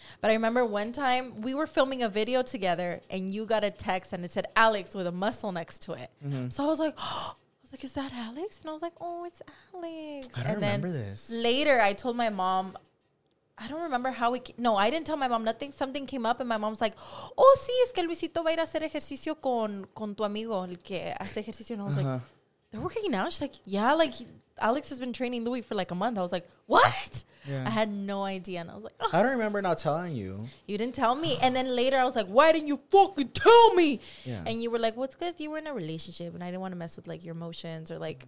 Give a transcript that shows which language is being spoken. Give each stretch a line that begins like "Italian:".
English: But I remember one time we were filming a video together and you got a text and it said Alex with a muscle next to it. Mm-hmm. So I was like, oh. Like, is that Alex? And I was like, oh, it's Alex. I don't remember this. Later, I told my mom, I don't remember how we... No, I didn't tell my mom nothing. Something came up and my mom's like, oh,
Spanish: sí, es que Luisito va a ir a hacer ejercicio con tu amigo, el que hace ejercicio.
English: And I was like, they're working out? She's like, yeah, like, Alex has been training Louis for like a month. I was like, what? Yeah. I had no idea. And I was like, oh. I don't remember not telling you. You didn't tell me. And then later I was like, why didn't you fucking tell me? Yeah. And you were like, well, it's good if you were in a relationship and I didn't want to mess with like your emotions or like,